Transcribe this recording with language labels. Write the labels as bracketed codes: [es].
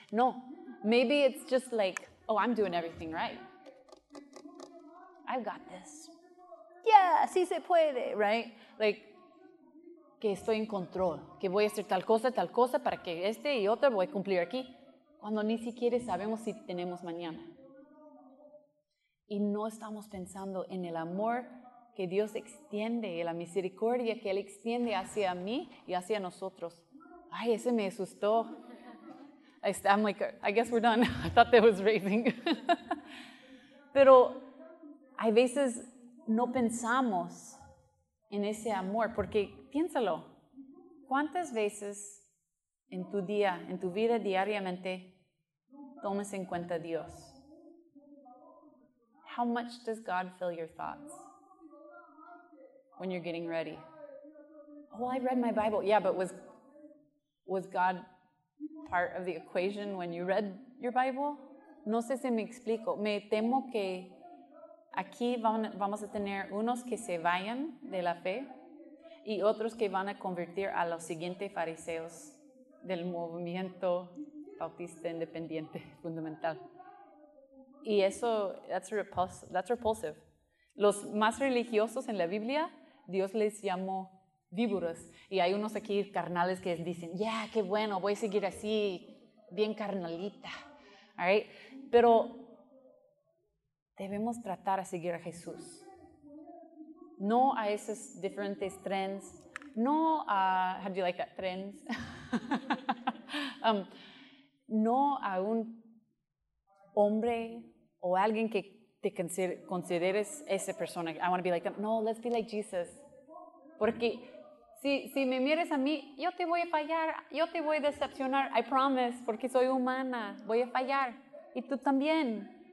[en] No, maybe it's just like, oh, I'm doing everything right. I've got this. Yeah, [es] sí se puede, [en] right? [es] Like, que estoy en control, que voy a hacer tal cosa, para que este y otro voy a cumplir aquí. Cuando ni siquiera sabemos si tenemos mañana. Y no estamos pensando en el amor que Dios extiende, la misericordia que Él extiende hacia mí y hacia nosotros. Ay, ese me asustó. [en] I'm like, I guess we're done. I thought that was raving. [es] Pero a veces no pensamos en ese amor, porque piénsalo. ¿Cuántas veces en tu día, en tu vida diariamente, tomas en cuenta a Dios? [en] How much does God fill your thoughts? When you're getting ready. Oh, I read my Bible. Yeah, but was God part of the equation when you read your Bible? [es] No sé si me explico. Me temo que aquí vamos a tener unos que se vayan de la fe y otros que van a convertir a los siguientes fariseos del movimiento bautista independiente fundamental. Y eso, [en] that's repulsive. [es] Los más religiosos en la Biblia, Dios les llamó víboras. Y hay unos aquí carnales que dicen, ya, yeah, qué bueno, voy a seguir así, bien carnalita. [en] All right? [es] Pero debemos tratar a seguir a Jesús. No a esos diferentes trends. [en] No a, how do you like that, trends? [es] no a un hombre o alguien que te consideres esa persona. [en] I want to be like them. [es] No, let's be like Jesus. Porque si me mires a mí, yo te voy a fallar, yo te voy a decepcionar, [en] I promise, [es] porque soy humana, voy a fallar. Y tú también.